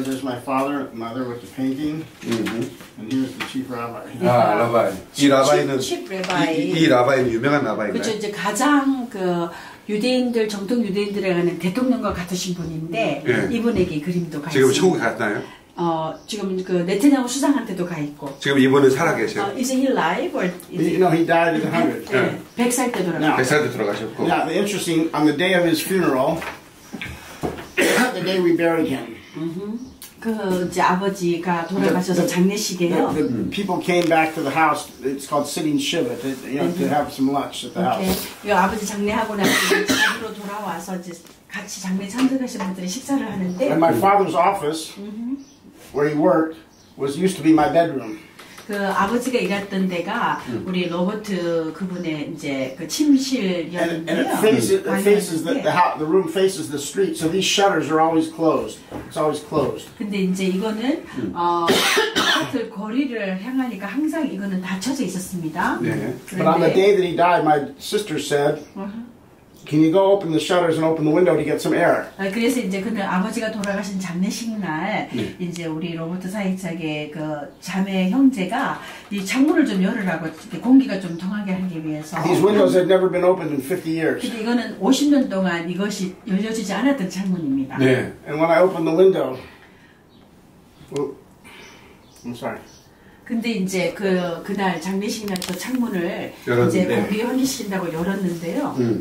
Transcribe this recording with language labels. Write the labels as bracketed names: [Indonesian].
[English] There's my father, mother with the painting. And here's the chief rabbi. [Korean] 아, 라바이. 이 라바이는 [English] chief rabbi. [Korean] 이 라바이는 유명한 라바이. 그렇죠. 이제 가장 그 유대인들 정통 유대인들에 가는 대통령과 같으신 분인데 이분에게 그림도 가 있어요. 지금 천국 갔나요? 어, 지금 그 네타냐후 수상한테도 가 있고. 지금 이분은 살아 계세요. [English] Is he alive or is he? No, he died at 100. [Korean] 100살 때 돌아가셨고. 100살 때 돌아가셨고. [English] Now, the interesting on the day of his funeral, the day we buried him. [Korean] 그 이제 아버지가 돌아가셔서 장례식에요. [English] The people came back to the house. It's called sitting shiva to, you know, to have some lunch at the house. [Korean] 이 아버지 장례하고 나서 집으로 돌아와서 이제 같이 장례 참석하신 분들이 식사를 하는데. [English] And my father's office. Where he worked was used to be my bedroom. [Korean] 그 아버지가 일했던 데가 우리 로버트 그분의 이제 그 침실이었는데요. [English] And it faces the room faces the street, so these shutters are always closed. It's always closed. [Korean] 근데 이제 이거는 하트 거리를 향하니까 항상 이거는 닫혀져 있었습니다. [English] Yeah. But on the day that he died, my sister said. Can you go open the shutters and open the window to get some air? [Korean] 그래서 이제 근데 아버지가 돌아가신 장례식 날 이제 우리 로버트 사이차게 그 자매 형제가 이 창문을 좀 열으라고 공기가 좀 통하게 하기 위해서. [English] These windows had never been opened in 50 years. [Korean] 근데 이거는 50년 동안 이것이 열려지지 않았던 창문입니다. 네. [English] And when I opened the window, I'm sorry. [Korean] 근데 이제 그 그날 장례식 날 그 창문을 이제 공기 환기시킨다고 열었는데요.